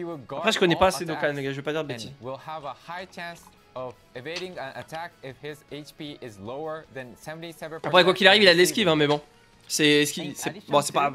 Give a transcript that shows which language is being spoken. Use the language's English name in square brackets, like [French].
[French] Après, je connais pas assez Dokkan, les gars, je vais pas dire de bêtises. [English] Will have a high chance of evading an attack if his HP is lower than 77%. [French] Après, quoi qu'il arrive, il a de l'esquive, hein, mais bon. C'est esquive. Bon, c'est pas.